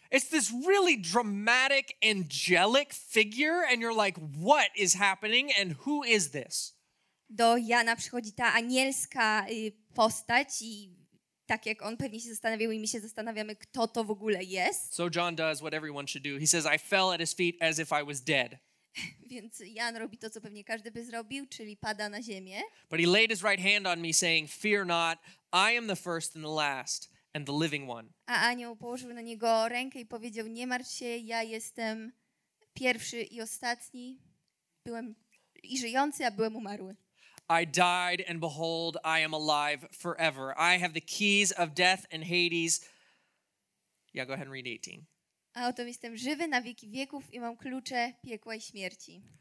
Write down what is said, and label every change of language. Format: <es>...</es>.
<en>It's this really dramatic, angelic figure, and you're like, what is happening, and who is this?</en> <pl>Do Jana przychodzi ta anielska postać i tak jak on pewnie się zastanawiał i my się zastanawiamy, kto to w ogóle jest.</pl> <en>So John does what everyone should do. He says, I fell at his feet as if I was dead.</en> <pl>Więc Jan robi to, co pewnie każdy by zrobił, czyli pada na ziemię.</pl> <en>But he laid his right hand on me saying, fear not, I am the first and the last and the living one.</en> <pl>A anioł położył na niego rękę i powiedział, nie martw się, ja jestem pierwszy i ostatni. Byłem i żyjący, a byłem umarły.</pl> <en>I died and behold, I am alive forever. I have the keys of death and Hades. Yeah, go ahead and read 18.</en> <pl>A oto jestem żywy na wieki wieków i mam klucze piekła i śmierci.</pl>